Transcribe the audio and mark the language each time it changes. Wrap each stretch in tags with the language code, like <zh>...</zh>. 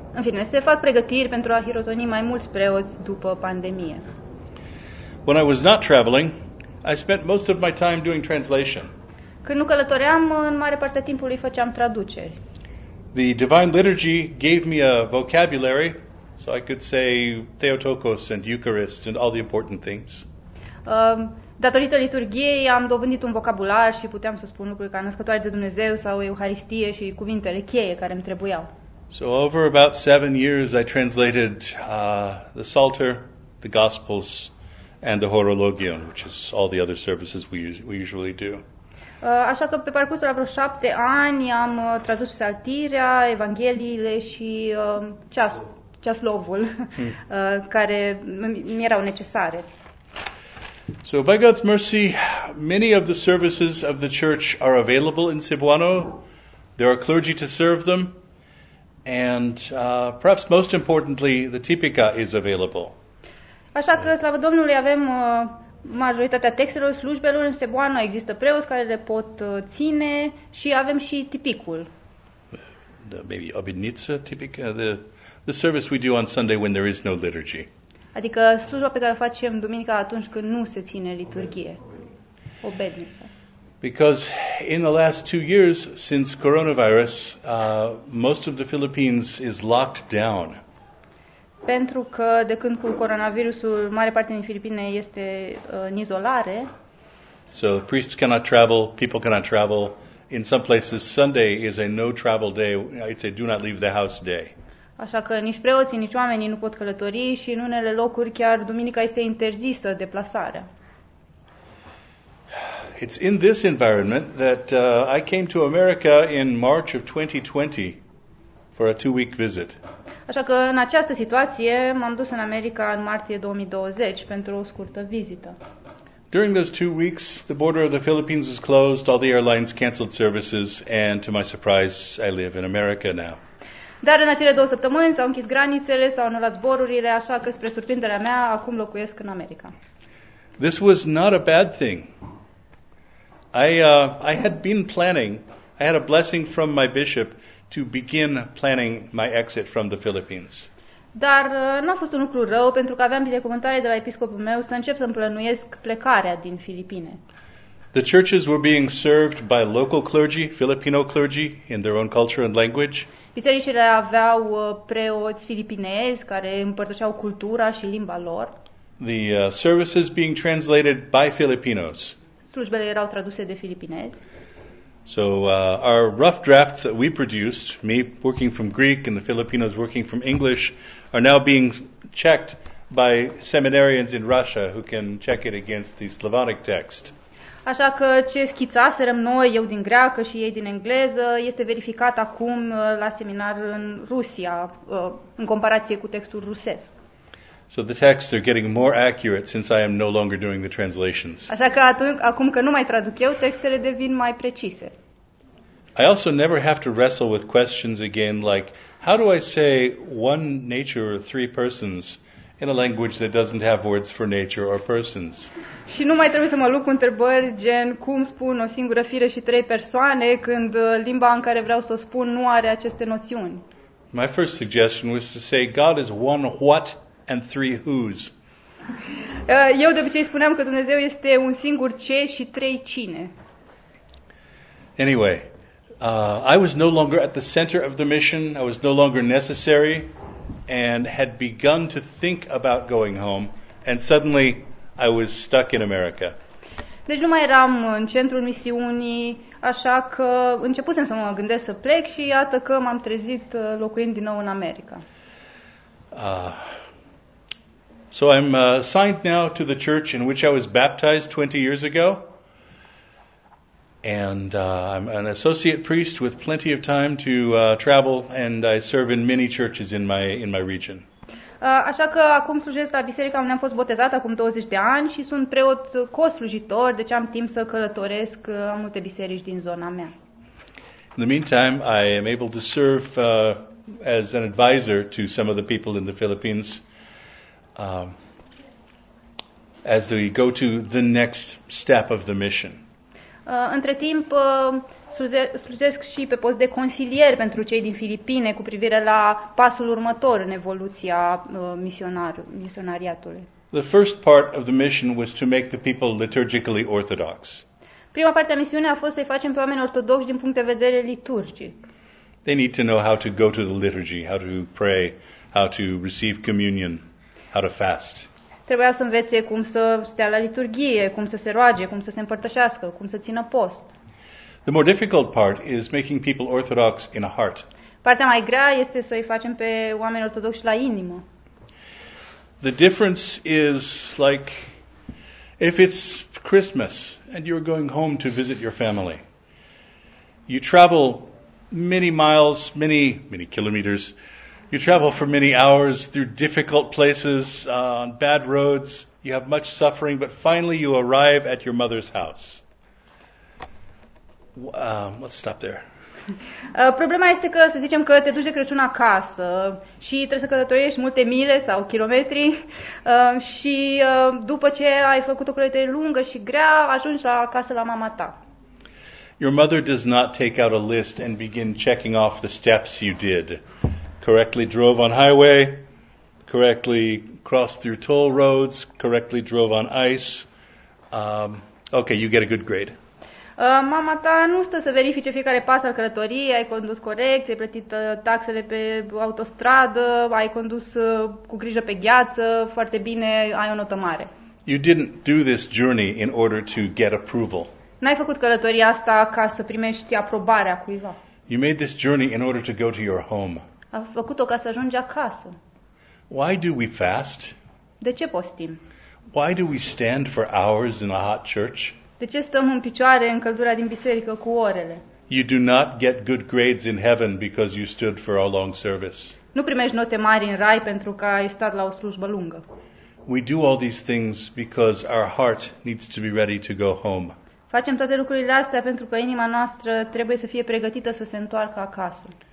<ro>În fine, se fac pregătiri pentru a hirotoni mai mulți preoți după pandemie.</ro> <en>When I was not traveling, I spent most of my time doing translation.</en> <ro>Când nu călătoream, în mare parte a timpului făceam traduceri.</ro> <en>The Divine Liturgy gave me a vocabulary so I could say Theotokos and Eucharist and all the important things.</en> <ro>Datorită liturgiei am dobândit un vocabular și puteam să spun lucruri ca Născătoare de Dumnezeu sau Euharistie și cuvintele cheie care îmi trebuiau.</ro> <en>So over about 7 years I translated the Psalter, the Gospels and the Horologion, which is all the other services we usually do.</en> <ro>Așa că pe parcursul a vreo 7 ani am tradus Psaltirea, Evangheliile și ceaslovul care mi erau necesare.</ro> <en>So by God's mercy, many of the services of the church are available in Cebuano. There are clergy to serve them. And perhaps most importantly, the tipica is available.</en> <ro>Așa că, slavă Domnului, avem majoritatea textelor slujbelor în Cebuano. Există preoți care le pot ține și avem și tipicul.</ro> <en>Maybe obinitsa tipica, the service we do on Sunday when there is no liturgy.</en> <ro>Adică slujba pe care o facem duminica atunci când nu se ține liturghie. Obednica.</ro> <en>Because in the last 2 years, since coronavirus, most of the Philippines is locked down.</en> <ro>Pentru că de când cu coronavirusul, mare parte din Filipine este în izolare.</ro> <en>So priests cannot travel, people cannot travel. In some places, Sunday is a no-travel day. It's a do-not-leave-the-house day.</en> <ro>Așa că nici preoții, nici oamenii nu pot călători și în unele locuri chiar duminica este interzisă deplasarea.</ro> <en>It's in this environment that I came to America in March of 2020 for a 2-week visit.</en> <ro>Așa că în această situație m-am dus în America în martie 2020 pentru o scurtă vizită.</ro> <en>During those 2 weeks, the border of the Philippines was closed, all the airlines canceled services, and to my surprise, I live in America now.</en> <ro>Dar în acele 2 săptămâni s-au închis granițele, s-au anulat zborurile, așa că spre surprinderea mea, acum locuiesc în America.</ro> <en>This was not a bad thing. I had been planning. I had a blessing from my bishop to begin planning my exit from the Philippines.</en> <ro>Dar n-a fost un lucru rău pentru că aveam binecuvântare de la episcopul meu să încep să îmi plănuiesc plecarea din Filipine.</ro> <en>The churches were being served by local clergy, Filipino clergy in their own culture and language.</en> <ro>Bisericile aveau preoți filipinezi care împărtășeau cultura și limba lor.</ro> <en>The services being translated by Filipinos.</en> <ro>Slujbele erau traduse de filipinezi.</ro> <en>So our rough drafts that we produced, me working from Greek and the Filipinos working from English, are now being checked by seminarians in Russia who can check it against the Slavonic text.</en> <ro>Așa că ce schițaserăm noi, eu din greacă și ei din engleză, este verificat acum la seminar în Rusia, în comparație cu textul rusesc.</ro> <en>So the texts are getting more accurate since I am no longer doing the translations.</en> <ro>Așa că acum că nu mai traduc eu, textele devin mai precise.</ro> <en>I also never have to wrestle with questions again, like, how do I say one nature or three persons in a language that doesn't have words for nature or persons?</en> <ro>Și nu mai trebuie să mă lupt cu întrebări gen cum spun o singură fire și trei persoane când limba în care vreau să o spun nu are aceste noțiuni.</ro> <en>My first suggestion was to say God is one what and three whos.</en> <ro>Eu de obicei spuneam că Dumnezeu este un singur ce și trei cine.</ro> <en>Anyway, I was no longer at the center of the mission, I was no longer necessary, and had begun to think about going home, and suddenly I was stuck in America.</en> <ro>Deci nu mai eram în centrul misiunii, așa că începusem să mă gândesc să plec și iată că m-am trezit locuind din nou în America.</ro> <en>So I'm signed now to the church in which I was baptized 20 years ago. And I'm an associate priest with plenty of time to travel, and I serve in many churches in my region.</en> <ro>Așa că acum slujesc la biserica unde am fost botezat acum 20 de ani și sunt preot coslujitor, deci am timp să călătoresc în multe biserici din zona mea.</ro> <en>In the meantime, I am able to serve as an advisor to some of the people in the Philippines as they go to the next step of the mission.</en> <ro>Între timp, slujesc și pe post de consilier pentru cei din Filipine cu privire la pasul următor în evoluția misionariatului.</ro> <en>The first part of the mission was to make the people liturgically orthodox.</en> <ro>Prima parte a misiunii a fost să-i facem pe oameni ortodoxi din punct de vedere liturgic.</ro> <en>They need to know how to go to the liturgy, how to pray, how to receive communion, how to fast.</en> <ro>Trebuia să învețe cum să stea la liturghie, cum să se roage, cum să se împărtășească, cum să țină post.</ro> <en>The more difficult part is making people orthodox in a heart.</en> <ro>Partea mai grea este să-i facem pe oameni ortodoxi la inimă.</ro> <en>The difference is like if it's Christmas and you're going home to visit your family. You travel many miles, many kilometers. You travel for many hours through difficult places, on bad roads. You have much suffering, but finally you arrive at your mother's house. Let's stop there.</en> <ro>Problema este că, să zicem că te duci de Crăciun acasă și trebuie să călătorești multe mile sau kilometri și după ce ai făcut o călătorie lungă și grea, ajungi la acasă la mama ta.</ro> <en>Your mother does not take out a list and begin checking off the steps you did. Correctly drove on highway, correctly crossed through toll roads, correctly drove on ice. Okay, you get a good grade.</en> <ro>Mama ta nu stă să verifice fiecare pas al călătoriei, ai condus corect, ai plătit taxele pe autostradă, ai condus cu grijă pe gheață, foarte bine, ai o notă mare.</ro> <en>You didn't do this journey in order to get approval.</en> <ro>N-ai făcut călătoria asta ca să primești aprobarea cuiva.</ro> <en>You made this journey in order to go to your home.</en> <ro>A făcut-o ca să ajungi acasă.</ro> <en>Why do we fast?</en> <ro>De ce postim?</ro> <en>Why do we stand for hours in a hot church?</en> <ro>De ce stăm în picioare în căldura din biserică cu orele?</ro> <en>You do not get good grades in heaven because you stood for a long service.</en> <ro>Nu primești note mari în rai pentru că ai stat la o slujbă lungă.</ro> <en>We do all these things because our heart needs to be ready to go home.</en> <ro>Facem toate lucrurile astea pentru că inima noastră trebuie să fie pregătită să se întoarcă acasă.</ro>